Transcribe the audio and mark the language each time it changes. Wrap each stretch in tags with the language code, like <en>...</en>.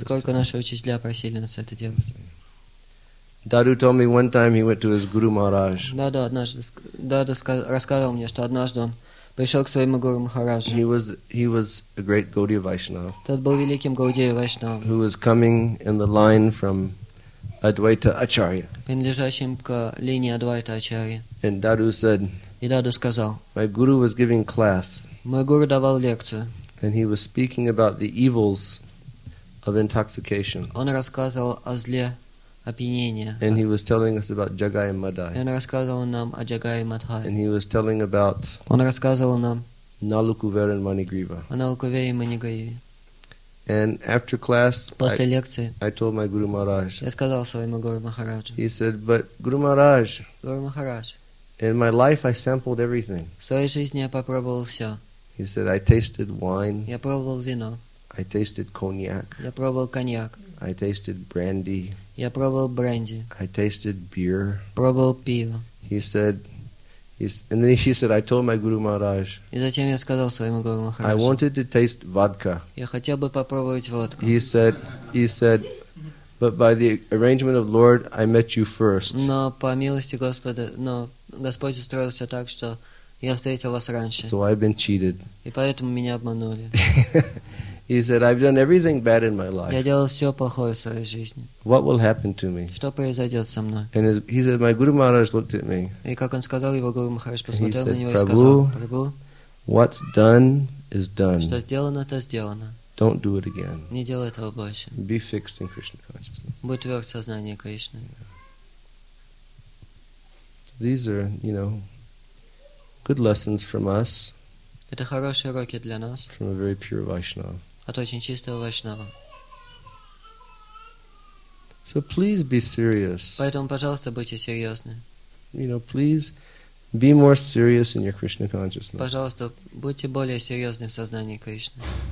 <ru>Поскольку наши учителя просили нас это делать.</ru> <en>Dadu told me one time he went to his Guru Maharaj.</en> <ru>Даду рассказывал мне, что однажды он пришел к своему Гуру Махараджу.</ru> <en>He was a great Gaudiya Vaishnava.</en> <ru>Тот был великим Гаудия Вайшнавом.</ru> <en>Who was coming in the line from Advaita Acharya.</en> <ru>Принадлежащим к линии Адвайта Ачарьи.</ru> <en>And Dadu said.</en> <ru>И Даду сказал.</ru> <en>My guru was giving class.</en> <ru>Мой гуру давал лекцию.</ru> <en>And he was speaking about the evils of intoxication.</en> <ru>Он рассказывал о зле опьянения.</ru> <en>And he was telling us about Jagai Madai.</en> <ru>И он рассказывал нам о Jagai Madai.</ru> <en>And he was telling about.</en> <ru>Он рассказывал нам. Налукувера Манигрива. О Налукувере и Манигриве.</ru> <en>And after class,</en> <ru>после лекции,</ru> <en>I told my Guru Maharaj.</en> <ru>Я сказал своему Гуру Махараджу.</ru> <en>He said, "But Guru Maharaj."</en> <ru>Гуру Махарадж.</ru> <en>In my life, I sampled everything.</en> <ru>В своей жизни я попробовал все.</ru> <en>He said, "I tasted wine."</en> <ru>Я пробовал вино.</ru> <en>I tasted cognac.</en> <ru>Я пробовал коньяк.</ru> <en>I tasted brandy.</en> <ru>Я пробовал бренди.</ru> <en>I tasted beer.</en> <ru>Пробовал пиво.</ru> <en>He said. And then he said, "I told my Guru Maharaj."</en> <ru>И затем я сказал своему Гуру Махараджу.</ru> <en>I wanted to taste vodka.</en> <ru>Я хотел бы попробовать водку.</ru> <en>He said, "But by the arrangement of Lord, I met you first."</en> <ru>Но по милости Господа, но Господь устроил все так, что я встретил вас раньше.</ru> <en>So I've been cheated.</en> <ru>И поэтому меня обманули.</ru> <en>He said, I've done everything bad in my life.</en> <ru>Я делал все плохое в своей жизни.</ru> <en>What will happen to me?</en> <ru>Что произойдет со мной?</ru> <en>And he said, my Guru Maharaj looked at me.</en> <ru>И как он сказал, его Гуру Махарадж посмотрел на него и сказал, Прабху,</ru> <en>what's done is done.</en> <ru>Что сделано, то сделано.</ru> <en>Don't do it again.</en> <ru>Не делай этого больше.</ru> <en>Be fixed in Krishna consciousness.</en> <ru>Будь тверд в сознании Кришны.</ru> <en>These are, you know, good lessons from us.</en> <ru>Это хорошие уроки для нас.</ru> <en>From a very pure Vaishnava.</en> <ru>От очень чистого вайшнава.</ru> <en>So please be serious.</en> <ru>Поэтому, пожалуйста, будьте серьезны.</ru> <en>You know, please be more serious in your Krishna consciousness.</en> <ru>Пожалуйста, будьте более серьезны в сознании Кришны.</ru>